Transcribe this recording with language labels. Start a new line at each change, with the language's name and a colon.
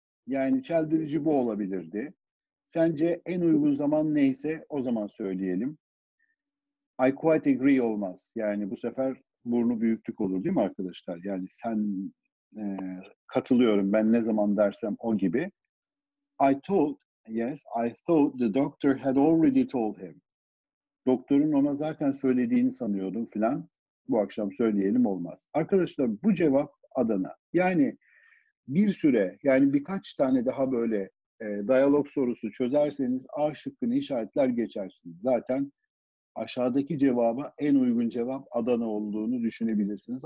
Turkish: Yani çeldirici bu olabilirdi. Sence en uygun zaman neyse o zaman söyleyelim.
English: I quite agree
Turkish: olmaz. Yani bu sefer burnu büyüklük olur değil mi arkadaşlar? Yani sen katılıyorum ben ne zaman dersem o gibi.
English: Yes, I thought the doctor had already told him.
Turkish: Doktorun ona zaten söylediğini sanıyordum filan. Bu akşam söyleyelim olmaz. Arkadaşlar bu cevap Adana. Yani bir süre, yani birkaç tane daha böyle diyalog sorusu çözerseniz A şıkkını işaretler geçersiniz. Zaten aşağıdaki cevaba en uygun cevap Adana olduğunu düşünebilirsiniz.